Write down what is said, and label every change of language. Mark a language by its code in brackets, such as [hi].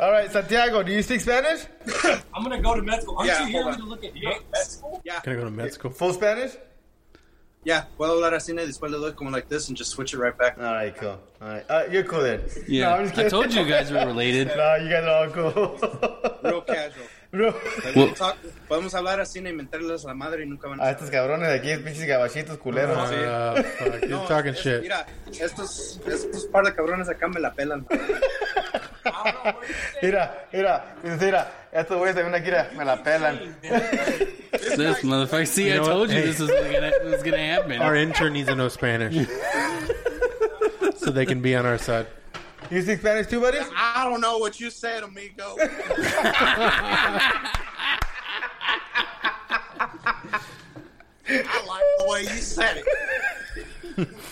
[en] All right, Santiago, do you speak Spanish? I'm gonna go to med school. Aren't you here to look at med school? Yeah. Can I go to med school? Full Spanish. Yeah, well, let us in it. Well, look going like this and just switch it right back. All right, cool. All right. You're cool then. Yeah, no, I'm just kidding. I told you guys were related. No, you guys are all cool. Real casual. Real. [es] Podemos hablar así y meterles la madre y nunca van a. Ah, estos cabrones de aquí, pinches caballitos culeros. [en] Fuck, you're no, talking shit. [es] Mira, estos par de cabrones acá me la pelan. Mira, estos güeyes también aquí me la pelan. [en] This motherfucker. See, I told you this was going to happen. Our intern needs to know Spanish. So they can be on our side. You speak Spanish too, buddy? I don't know what you said, amigo. I like the way you said it.